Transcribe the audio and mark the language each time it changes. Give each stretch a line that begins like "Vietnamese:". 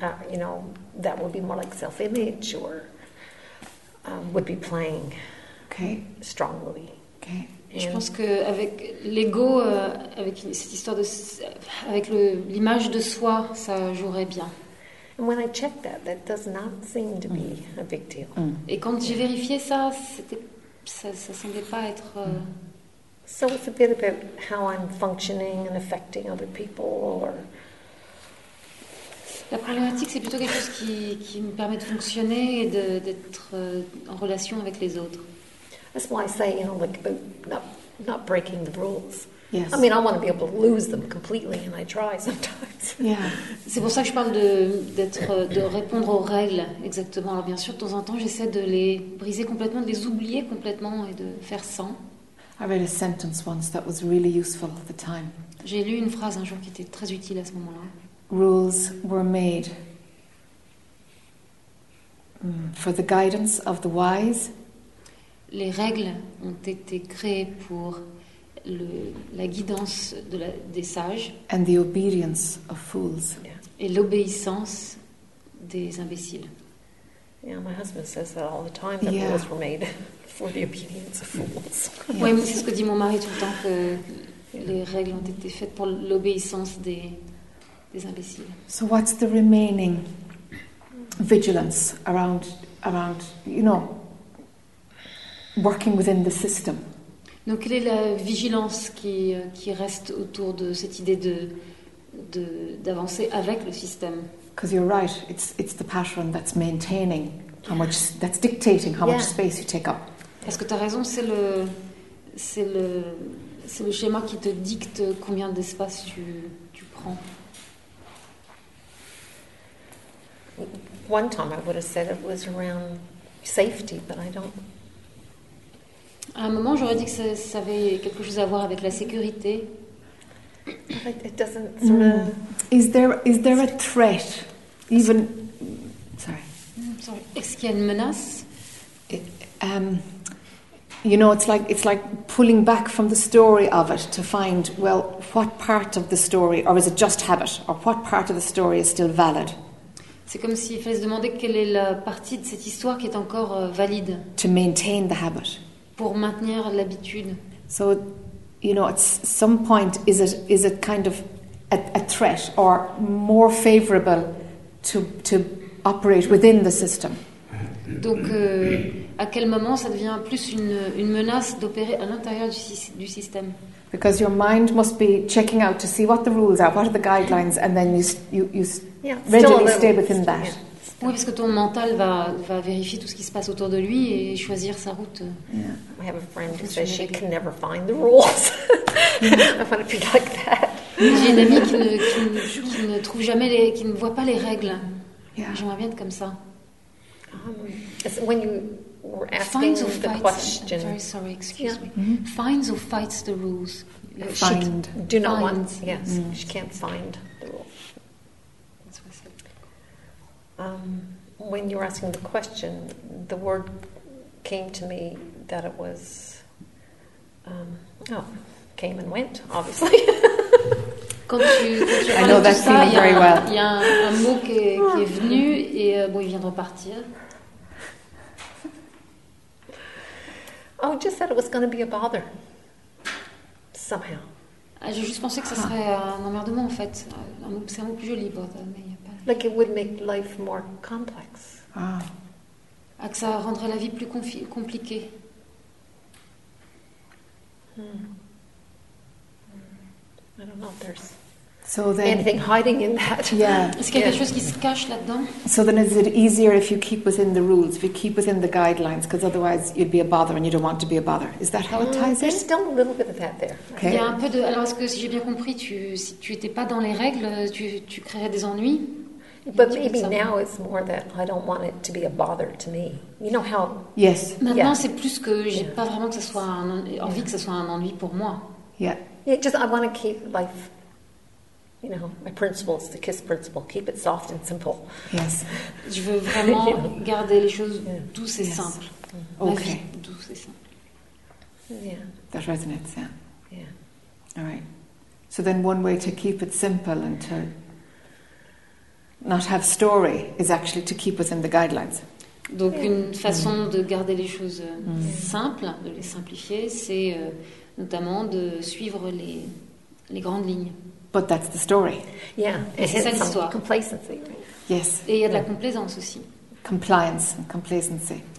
English: You know, that would be more like self-image, or would be playing. Okay. Strongly. Okay.
French: Je pense que avec l'ego, avec cette histoire de, avec le, l'image de soi, ça jouerait bien.
English: And when I checked that, that does not seem to be a big deal. Mm.
French: Et quand j'ai vérifié ça, c'était, ça semblait pas être.
English: So it's a bit about how I'm functioning and affecting other people, or.
French: La problématique, c'est plutôt quelque chose qui me permet de fonctionner et de, d'être en relation avec les autres.
English: That's why I say, you know, like about not breaking the rules. Yes. I mean, I want to be able to lose them completely, and I try sometimes. Yeah.
French: C'est pour ça que je parle de répondre aux règles exactement. Alors bien sûr, de temps en temps, j'essaie de les briser complètement, de les oublier complètement et de faire sans.
English: I read a sentence once that was really useful at the time.
French: J'ai lu une phrase un jour qui était très utile à ce moment-là.
English: Rules were made for the guidance of the wise.
French: Les règles ont été créées pour la guidance des sages.
English: And the obedience of fools. Yeah.
French: Et l'obéissance des imbéciles.
English: Yeah, my husband says that all the time, that rules were made for the obedience of fools.
French: Oui, mais c'est ce que dit mon mari tout le temps, que les règles ont été faites pour l'obéissance des des imbéciles.
English: So what's the remaining vigilance around you know working within the system?
French: Donc quelle est la vigilance qui reste autour de cette idée de d'avancer avec le système?
English: Because you're right, it's the pattern that's maintaining how much that's dictating how much space you take up.
French: Est-ce que tu as raison, c'est le schéma qui te dicte combien d'espace tu prends.
English: One time I would have said it was around safety, but I don't. À un moment, j'aurais dit que ça avait quelque chose à voir avec la sécurité. It doesn't sort of... Is there a threat? Even sorry.
French: Est-ce qu'il y a une menace?
English: You know, it's like pulling back from the story of it to find, well, what part of the story, or is it just habit, or what part of the story is still valid?
French: C'est comme s'il fallait se demander quelle est la partie de cette histoire qui est encore valide.
English: To maintain the habit.
French: Pour maintenir l'habitude.
English: So, you know, at some point, is it kind of a threat or more favorable to operate within the system?
French: Donc, à quel moment ça devient plus une menace d'opérer à l'intérieur du système?
English: Because your mind must be checking out to see what the rules are, what are the guidelines, and then you readily stay within that.
French: Oui, parce que ton mental va vérifier tout ce qui se passe autour de lui et choisir sa route.
English: Yeah. I have a friend who says she can never find the rules. I want to be like that.
French: J'ai une amie qui ne trouve jamais qui ne voit pas les règles.
English: Yeah.
French: J'aimerais bien être comme ça.
English: When you were asking finds or the question, I'm very sorry, excuse me. Mm-hmm. Finds or fights the rules. Find. Do not find. Want. Yes, mm-hmm. She can't find the rules. That's what I said. When you were asking the question, the word came to me that it was. Came and went, obviously.
French: Quand tu
English: I know that
French: ça,
English: feeling very well.
French: Il y a un mot qui est venu et bon, il vient de repartir.
English: Oh, just that it was going to be a bother. Somehow.
French: Ah, j'ai juste pensé que ça serait un emmerdement en fait. C'est un mot plus joli, bother, mais il n'y a pas.
English: Like it would make life more complex.
French: Ah, que ça rendrait la vie plus compliquée.
English: I don't know if there's so then, anything hiding in that. Yeah.
French: Est-ce qu'il y a quelque chose qui se cache là-dedans?
English: So then is it easier if you keep within the rules, if you keep within the guidelines, because otherwise you'd be a bother and you don't want to be a bother. Is that how it ties There's still a little bit of that there. Okay.
French: Il y a un peu de... Alors, est-ce que si j'ai bien compris, si tu n'étais pas dans les règles, tu créerais des ennuis?
English: But maybe now it's more that I don't want it to be a bother to me. You know how... Yes.
French: Maintenant, c'est plus que j'ai pas vraiment que ça soit envie que ce soit un ennui pour moi.
English: Yeah. Yeah, just I want to keep life, you know, my principle is the KISS principle. Keep it soft and simple. Yes.
French: Je veux vraiment garder les choses douces et simples. Mm-hmm.
English: Okay.
French: Douce et simple.
English: Yeah. That resonates, yeah. Yeah. All right. So then one way to keep it simple and to not have story is actually to keep within the guidelines.
French: Donc une façon de garder les choses simples, de les simplifier, c'est... notamment de suivre les grandes lignes.
English: But that's the story. Yeah,
French: et c'est ça l'histoire.
English: Complacency. Yes.
French: Et il y a de la complaisance aussi.
English: Compliance and complacency.